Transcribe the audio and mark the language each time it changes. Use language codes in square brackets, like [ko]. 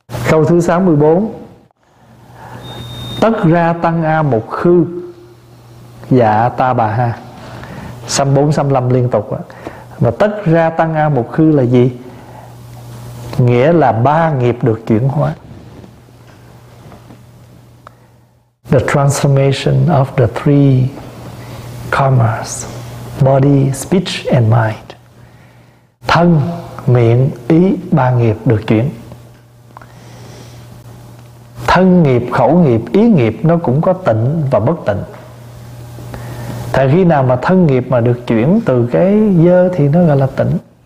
[vi] Câu thứ 64. Tất ra tăng a một khư dạ Ta Bà Ha. 64, 65 liên tục đó. Mà tất ra tăng a một khư là gì? Nghĩa là ba nghiệp được chuyển hóa. [en] The transformation of the three commerce, body, speech and mind. [vi] Thân, miệng, ý, ba nghiệp được chuyển. Thân nghiệp, khẩu nghiệp, ý nghiệp nó cũng có tịnh và bất tịnh. Thì khi nào mà thân nghiệp mà được chuyển từ cái dơ thì nó gọi là tỉnh.